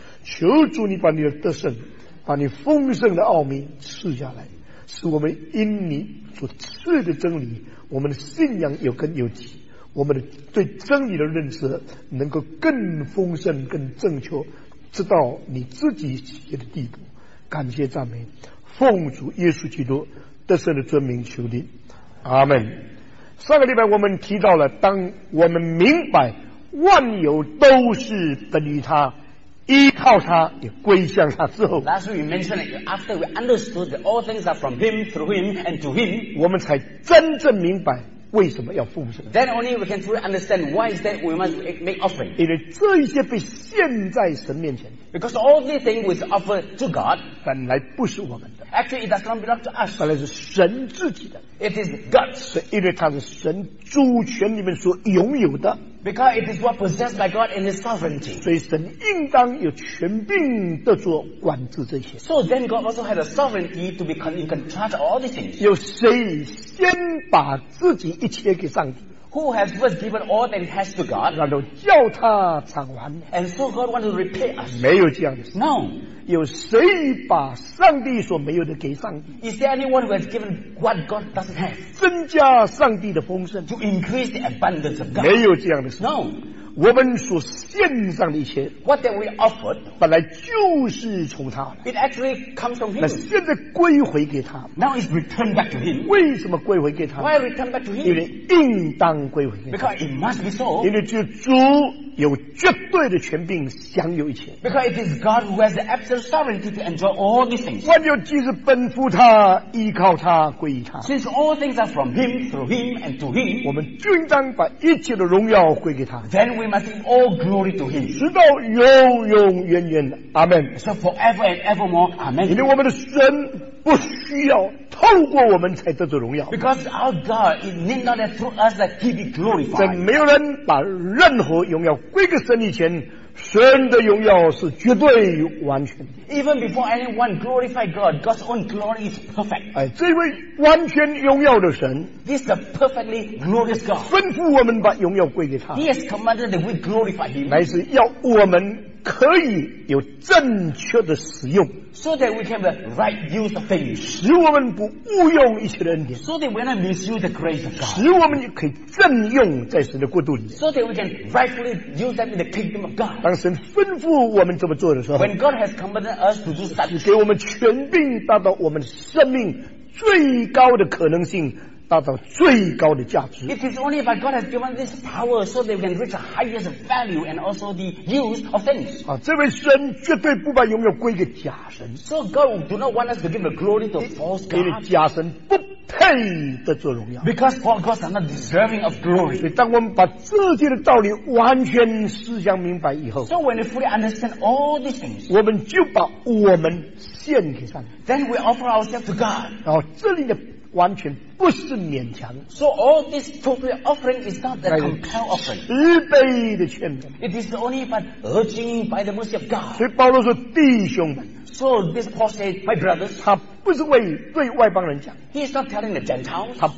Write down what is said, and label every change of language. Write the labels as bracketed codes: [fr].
[zh] 求主你把你的得胜、把你丰盛的奥秘赐下来，使我们因你所赐的真理，我们的信仰有根有基，我们的对真理的认识能够更丰盛、更正确，直到你自己喜悦的地步。感谢赞美，奉主耶稣基督得胜的尊名求你，阿们。上个礼拜我们提到了，当我们明白万有都是等于他，依靠他，也归向他之后， [en] Last week we mentioned it, after we understood that all things are from him, through him, and to him, [zh] 我们才真正明白为什么要奉献。 [en] Then only we can truly understand why is that we must make offering. [zh] 因为这一些被献在神面前。 [en] Because all these things was offered to God. [zh] 本来不是我们的。 [en] Actually, it does not belong to us. [zh] 本来是神自己的。 [en] It is God's. [zh] 是因为它是神主权里面所拥有的。 [en] Because it is what possessed by God in His sovereignty. [zh] 所以神应当有权柄的做管制这些。 [en] So then God also had a sovereignty to be in control of all these things. [zh] 有谁先把自己一切给上帝， [en] Who has first given all that has to God， [zh] 然后叫他偿还， [en] And so God wants to repay us。 [zh] 没有这样的事。 [en] No， [zh] 有谁把上帝所没有的给上帝？ [en] Is there anyone who has given what God doesn't have？ [zh] 增加上帝的丰盛， [en] To increase the abundance of God。 [zh] 没有这样的事。 [en] No， [zh] 我们所献上的一切， [en] What that we offered， [zh] 本来就是从他的， [en] It actually comes from him。 [zh] 那现在归回给他， [en] Now it's returned back to him。 [zh] 为什么归回给他？ [en] Why return back to him？ [zh] 因为应当归回给他。 [en] Because it must be so。 [zh] 因为主有绝对的权柄享有一切。 [en] Because it is God who has the absolute sovereignty to enjoy all these things。 [zh] 万有既是奔赴他、依靠他、归于他。 [en] Since all things are from him, through him, and to him， [zh] 我们就应当把一切的荣耀归给他。 [en] Then we must give all glory to him， [zh] 直到永永远远。Amen。 [en] So forever and evermore, Amen。 [zh] 因为我们的神不需要透过我们才得着荣耀。 [en] Because our God, it need not that through us that he be glorified。 [zh] 在没有人把任何荣耀归给神以前，神的荣耀是绝对完全。 [en] Even before anyone glorify God, God's own glory is perfect。 [zh] 哎，这位完全荣耀的神 [en] ，This is a perfectly glorious God。 [zh] 吩咐我们把荣耀归给他。 [en] He has commanded that we glorify him。 [zh] 乃是要我们可以有正确的使用 [en] ，so that we can have the right use of things。 [zh] 使我们不误用一切的恩典 [en] ，so that we're not misuse the grace of God。 [zh] 使我们可以正用在神的国度里 [en] ，so that we can rightfully use them in the kingdom of God。 [zh] 当神吩咐我们这么做的时候 [en] ，when God has commanded us to do such， [zh] 给我们权柄达到我们生命最高的可能性达到最高的价值. [en] It is only by God has given this power so they can reach the highest value and also the use of things. [zh] 啊, 这位神绝对不把荣耀归给假神. [en] So God do not want us to give the glory to false God. [zh] 因为假神不配得做荣耀. [en] Because false gods are not deserving of glory. [zh] 所以当我们把自己的道理完全思想明白以后, [en] So when we fully understand all these things, [zh] 我们就把我们献给上帝. [en] Then we offer ourselves to God. [zh] 然后这里的 完全不是勉强的, [en] so all this totally offering is not the compelled offering. [zh] 慈悲的劝勉, [en] it is only but urging by the mercy of God. [zh] 所以保罗说弟兄们, [en] so this Paul said, my brothers, [zh] 他不是为对外邦人讲, [en] he is not telling the Gentiles,